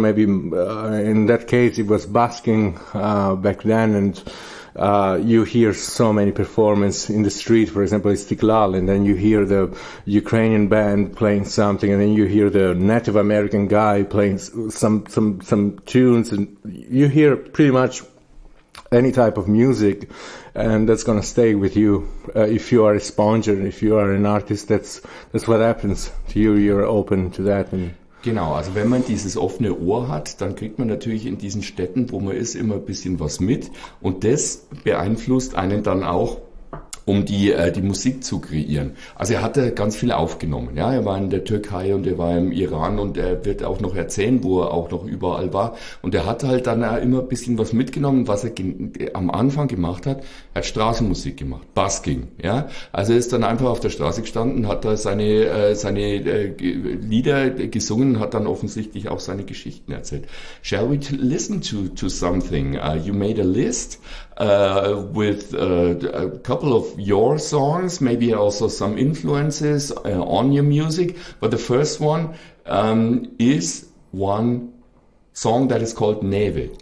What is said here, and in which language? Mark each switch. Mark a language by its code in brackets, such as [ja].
[en] Maybe in that case it was busking back then, and you hear so many performances in the street, for example, Istiklal, and then you hear the Ukrainian band playing something, and then you hear the Native American guy playing some tunes, and you hear pretty much any type of music, and that's going to stay with you if you are a sponger, if you are an artist. That's what happens to you. You're open to that. And [de] genau, also wenn man dieses offene Ohr hat, dann kriegt man natürlich in diesen Städten, wo man ist, immer ein bisschen was mit. Und das beeinflusst einen dann auch, um die Musik zu kreieren. Also er hat da ganz viel aufgenommen. Ja, er war in der Türkei und er war im Iran, und er wird auch noch erzählen, wo er auch noch überall war. Und er hat halt dann immer ein bisschen was mitgenommen, was er am Anfang gemacht hat. Er hat Straßenmusik gemacht, Busking. Ja, also er ist dann einfach auf der Straße gestanden, hat da seine Lieder gesungen, hat dann offensichtlich auch seine Geschichten erzählt. [en] Shall we listen to something? You made a list with a couple of your songs, maybe also some influences on your music. But the first one is one song that is called Neve.